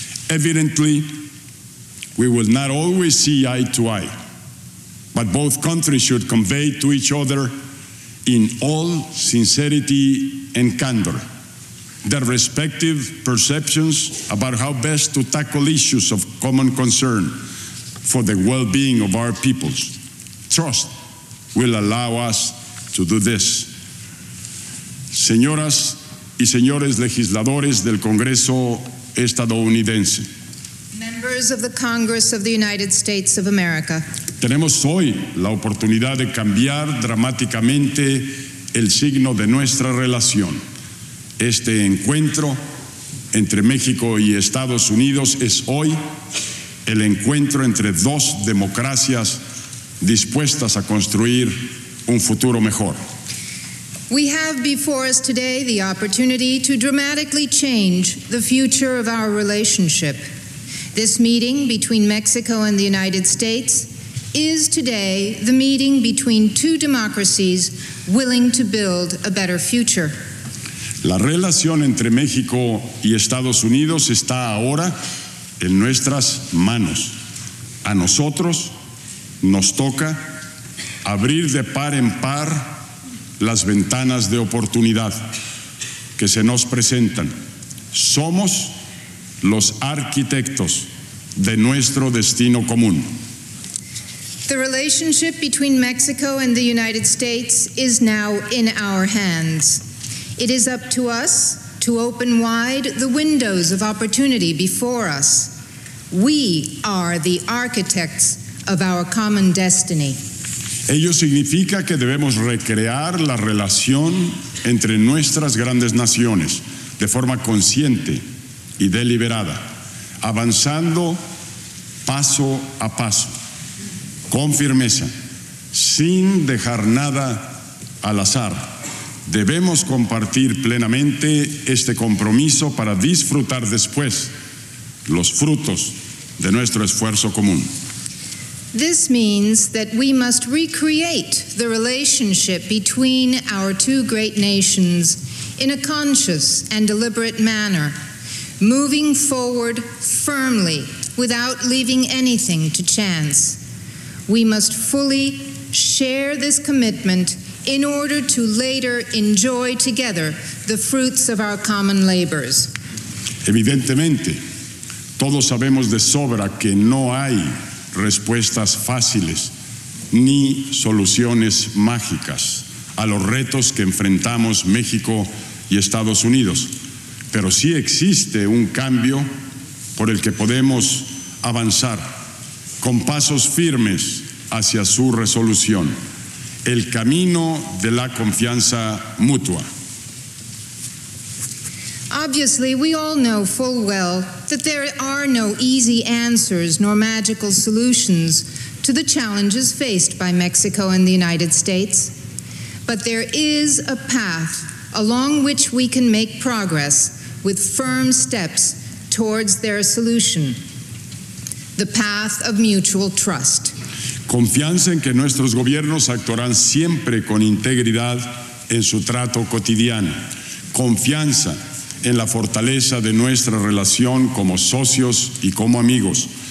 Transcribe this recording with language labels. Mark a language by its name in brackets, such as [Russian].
[English] Evidently, we will not always see eye to eye, but both countries should convey to each other in all sincerity and candor their respective perceptions about how best to tackle issues of common concern for the well-being of our peoples. Trust will allow us to do this. [Spanish] Señoras y señores legisladores del Congreso estadounidense. [English] Members of the Congress of the United States of America. [Spanish] Tenemos hoy la oportunidad de cambiar dramáticamente el signo de nuestra relación. Este encuentro entre México y Estados Unidos es hoy el encuentro entre dos democracias dispuestas a construir un futuro mejor. [English] We have before us today the opportunity to dramatically change the future of our relationship. This meeting between Mexico and the United States is today the meeting between two democracies willing to build a better future. [Spanish] La relación entre México y Estados Unidos está ahora en nuestras manos. A nosotros nos toca abrir de par en par las ventanas de oportunidad que se nos presentan. Somos los arquitectos de nuestro destino común. [English] The relationship between Mexico and the United States is now in our hands. It is up to us to open wide the windows of opportunity before us. We are the architects of our common destiny. [Spanish] Ello significa que debemos recrear la relación entre nuestras grandes naciones de forma consciente y deliberada, avanzando paso a paso, con firmeza, sin dejar nada al azar. Debemos compartir plenamente este compromiso para disfrutar después los frutos de nuestro esfuerzo común. [English] This means that we must recreate the relationship between our two great nations in a conscious and deliberate manner, moving forward firmly without leaving anything to chance. We must fully share this commitment in order to later enjoy together the fruits of our common labors. [Spanish] Evidentemente, todos sabemos de sobra que no hay respuestas fáciles ni soluciones mágicas a los retos que enfrentamos México y Estados Unidos. Pero sí existe un cambio por el que podemos avanzar con pasos firmes hacia su resolución: el camino de la confianza mutua. [English] Obviously, we all know full well that there are no easy answers nor magical solutions to the challenges faced by Mexico and the United States. But there is a path along which we can make progress with firm steps towards their solution. The path of mutual trust. [Spanish] Confianza en que nuestros gobiernos actuarán siempre con integridad en su trato cotidiano. Confianza en la fortaleza de nuestra relación como socios y como amigos.